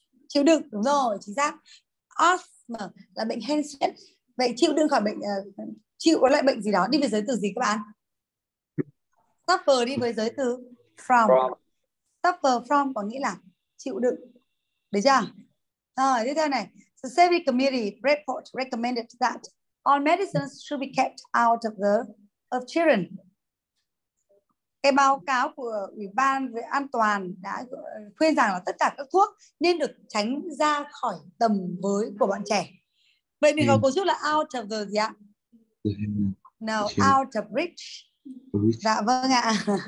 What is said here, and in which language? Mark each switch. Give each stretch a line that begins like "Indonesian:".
Vietnamese: Chịu đựng, đúng rồi, chính xác. Asthma là bệnh hen suyễn. Vậy chịu đựng khỏi bệnh chịu có loại bệnh gì đó đi với giới từ gì các bạn? Suffer đi với giới từ from. Suffer from có nghĩa là chịu đựng. Được chưa? Rồi, tiếp theo này.
English: The Safety Committee report recommended that all medicines should be kept out of the of children.
Vietnamese: Cái báo cáo của Ủy ban về an toàn đã khuyên rằng là tất cả các thuốc nên được tránh ra khỏi tầm với của bọn trẻ. Vậy mình có cấu trúc là
English: out of the
Vietnamese: gì ạ?
English: No, out of reach.
Vietnamese: Dạ vâng ạ.